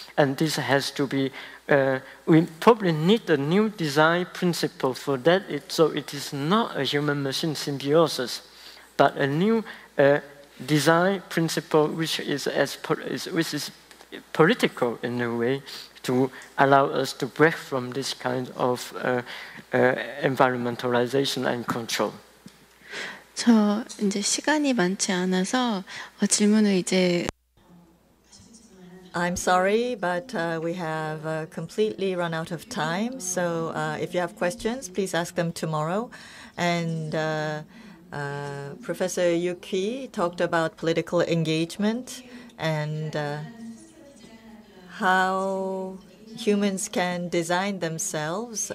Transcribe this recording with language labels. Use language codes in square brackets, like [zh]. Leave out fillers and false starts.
[en] And this has to be, we probably need a new design principle for that, so it is not a human-machine symbiosis, but a new design principle which is political in a way, to allow us to break from this kind of environmentalization and control. [ko] 저 이제 시간이 많지 않아서 질문을 이제 [en] I'm sorry, but we have completely run out of time. So if you have questions, please ask them tomorrow. And Professor Yuk Hui talked about political engagement and how humans can design themselves.